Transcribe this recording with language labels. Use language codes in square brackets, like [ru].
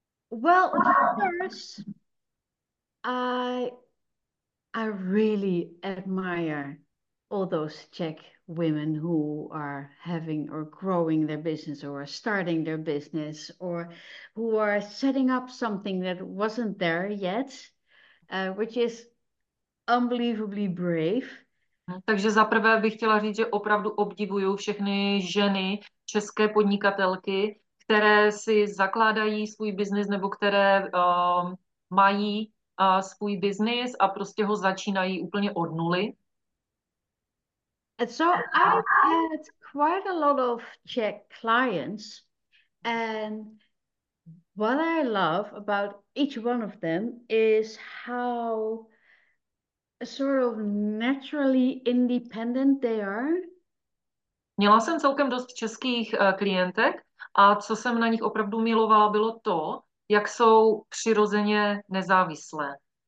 [en] Well, first, I really admire all those Czech women who are having or growing their business or starting their business or who are setting up something that wasn't there yet, which is unbelievably brave. [cs] Takže za prvé bych chtěla říct, že opravdu obdivuju všechny ženy, české podnikatelky, které si zakládají svůj biznis nebo které mají svůj biznis a prostě ho začínají úplně od nuly. [en] And so I've had quite a lot of Czech clients and what I love about each one of them is how sort of naturally independent they are. [cs] Měla jsem celkem dost českých klientek a co jsem na nich opravdu milovala, bylo to, jak jsou přirozeně nezávislé.